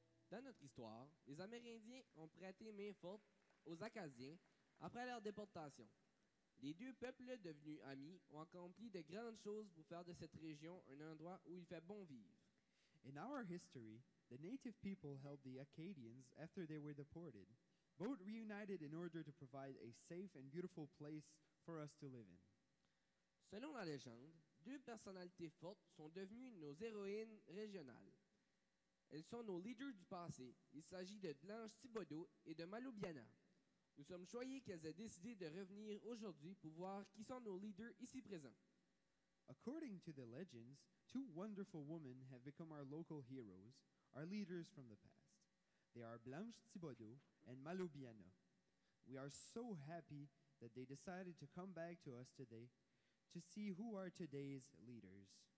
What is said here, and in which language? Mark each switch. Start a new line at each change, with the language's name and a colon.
French: Dans notre histoire, les Amérindiens ont prêté main forte aux Acadiens après leur déportation. Les deux peuples devenus amis ont accompli de grandes choses pour faire de cette région un endroit où il fait bon vivre.
English: In our history, the native people helped the Acadians after they were deported, both reunited in order to provide a safe and beautiful place for us to live in.
French: Selon la légende, deux personnalités fortes sont devenues nos héroïnes régionales. Elles sont nos leaders du passé. Il s'agit de Blanche Thibodeau et de Maloubiana. Nous sommes choyés qu'elles aient décidé de revenir aujourd'hui pour voir qui sont nos leaders ici présents.
English: According to the legends, two wonderful women have become our local heroes, our leaders from the past. They are Blanche Thibodeau and Maloubiana. We are so happy that they decided to come back to us today to see who are today's leaders.